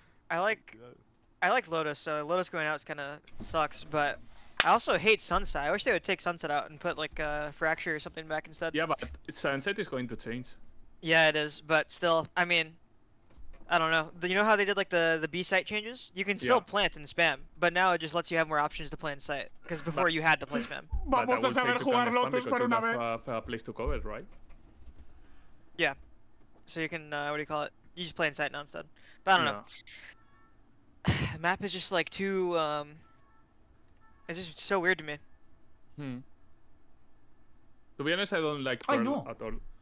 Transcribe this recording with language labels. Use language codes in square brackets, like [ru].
[en] I like Lotus, so Lotus going out kinda sucks, but I also hate Sunset. I wish they would take Sunset out and put like Fracture or something back instead. Yeah, but Sunset is going to change. Yeah, it is, but still, I mean, I don't know. You know how they did like the B site changes? You can still plant and spam, but now it just lets you have more options to plant site, because before you had to play spam. [es] Vamos a saber jugar Lotus por una vez. [en] For a place to cover, right? Yeah. So you can, what do you call it? You just play in site now instead. But I don't know. The map is just like too, it's just so weird to me. To be honest, I don't like Pearl at all.